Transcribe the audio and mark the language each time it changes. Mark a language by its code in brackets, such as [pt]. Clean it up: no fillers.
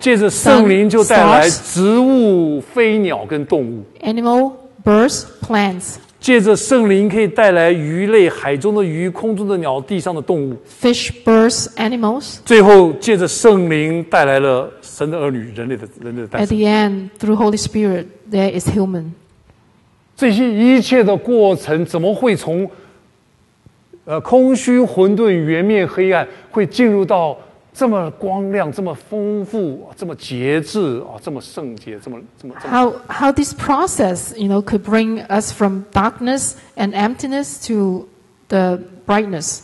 [zh] 借着圣灵就带来植物、飞鸟跟动物。 [en] Animal, birds, plants. [zh] 借着圣灵可以带来鱼类、海中的鱼、空中的鸟、地上的动物。 [en] Fish, birds, animals. [zh] 最后借着圣灵带来了神的儿女、人类的人类的诞生。 [en] At the end, through Holy Spirit, there is human. [zh] 这些一切的过程怎么会从空虚、混沌、圆面、黑暗，会进入到这么光亮、这么丰富、这么节制、这么圣洁、这么 [en] How this process, you know, could bring us from darkness and emptiness to the brightness?